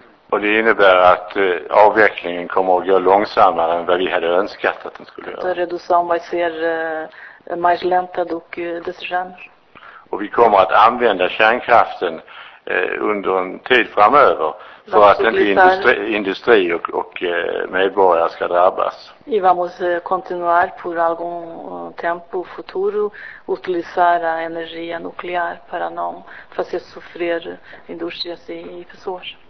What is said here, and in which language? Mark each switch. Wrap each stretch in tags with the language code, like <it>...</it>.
<sv>Och det innebär att avvecklingen kommer att gå långsammare än vad vi hade önskat att den skulle göra.</sv> <pt>A redução vai ser mais lenta do que desejamos.</pt> <sv>Och vi kommer att använda kärnkraften under en tid framöver för att inte industri och medborgare ska drabbas.</sv> <pt>E vamos continuar por algum tempo futuro utilizar a energia nuclear para não fazer sofrer indústrias e pessoas.</pt>